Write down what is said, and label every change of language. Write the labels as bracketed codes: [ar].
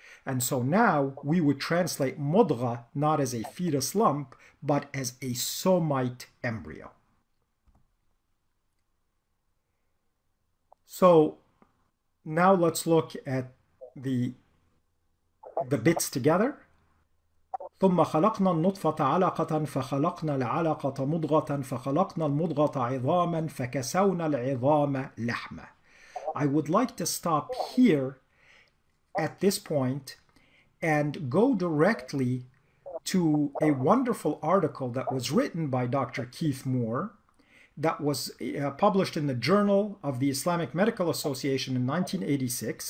[en] And so now we would translate mudra not as a fetus lump, but as a somite embryo. So now let's look at the bits together. [ar] ثم خلقنا النطفة علقة فخلقنا العلقة مضغة فخلقنا المضغة عظاما فكسونا العظام لحما. [en] I would like to stop here at this point and go directly to a wonderful article that was written by Dr. Keith Moore that was published in the Journal of the Islamic Medical Association in 1986.